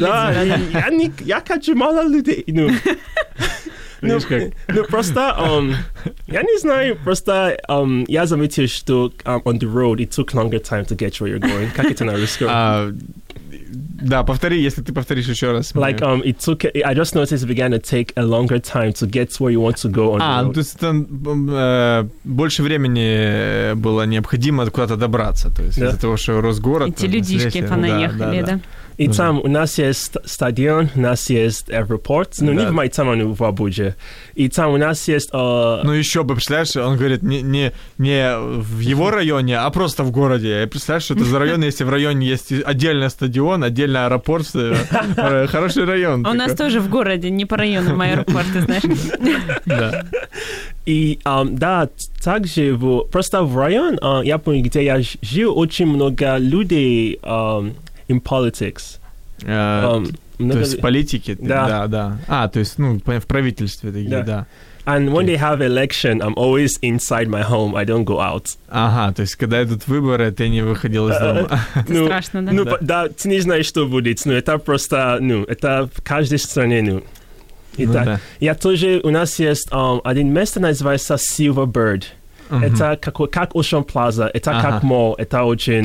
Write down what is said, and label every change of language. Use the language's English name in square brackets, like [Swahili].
[Russian] Да, я хочу мало людей. Ну, просто, я не знаю, просто я заметил, что [English] on the road, it took longer time to get where you're going. [Russian] Как это на русском? Да, повтори, если ты повторишь еще раз. [English] Like, it took, I just noticed it began to take a longer time to get where you want to go on the road. [Russian] А, то есть там больше времени было необходимо куда-то добраться, то есть да. Из-за того, что рос город. Эти людишки понаехали, да. И там у нас есть стадион, у нас есть аэропорт. Ну, да. Не в Майтама, но в Абудже. И там у нас есть... Ну, еще бы, представляешь, он говорит, не в его районе, а просто в городе. И представляешь, что это за район, если в районе есть отдельный стадион, отдельный аэропорт, хороший район. У нас тоже в городе, не по району, в аэропорт, ты знаешь. Да. И да, также просто в район, я помню, где я жил, очень много людей... [English] In politics. [Russian] То есть в политике? Да. А, то есть, ну, в правительстве такие, да. [English] And when they have election, I'm always inside my home. I don't go out. [Russian] Ага, то есть когда идут выборы, ты не выходил из дома. Ну, страшно, да? Ну, да, ты не знаешь, что будет. Ну, это просто, ну, это в каждой стране, ну. Итак, я тоже, у нас есть один место, называется Silver Bird. Это как Ocean Plaza, это как мол, это очень...